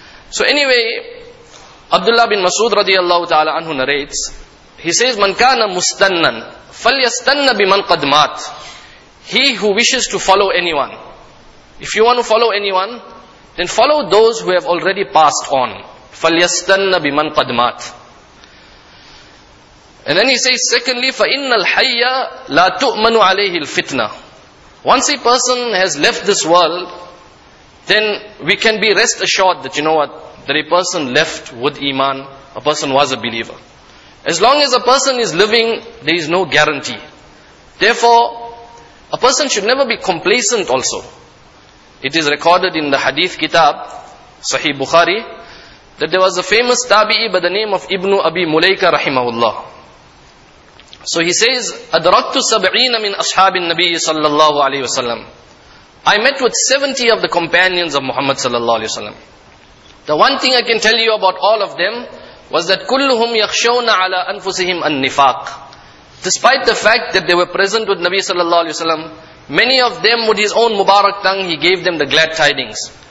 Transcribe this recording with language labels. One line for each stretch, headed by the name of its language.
English: So anyway, Abdullah bin Mas'ud radiyallahu ta'ala anhu narrates, he says,
Arabic: "Man kana mustannan, falyastanna biman qad mat."
English: He who wishes to follow anyone. If you want to follow anyone, then follow those who have already passed on.
Arabic: فَلْيَسْتَنَّ بِمَنْ قَدْ مَاتْ.
English: And then he says, secondly,
Arabic: فَإِنَّ الْحَيَّ لَا تُؤْمَنُ عَلَيْهِ الْفِتْنَةِ.
English: Once a person has left this world, then we can be rest assured that, you know what, that a person left with iman, a person was a believer. As long as a person is living, there is no guarantee. Therefore, a person should never be complacent also. It is recorded in the Hadith Kitab, Sahih Bukhari, that there was a famous tabi'i by the name of Ibn Abi Mulaika rahimahullah. So he says,
Arabic: أَدْرَكْتُ سَبْعِينَ مِنْ أَصْحَابِ النَّبِيِّ صَلَّى اللَّهُ عَلَيْهِ وَسَلَّمْ.
English: I met with 70 of the companions of Muhammad sallallahu alayhi wasallam. The one thing I can tell you about all of them was that
Arabic: كُلُّهُمْ يَخْشَوْنَ عَلَىٰ أَنفُسِهِمْ النِّفَاقِ.
English: Despite the fact that they were present with Nabi sallallahu alayhi wasallam, many of them with his own Mubarak tongue, he gave them the glad tidings.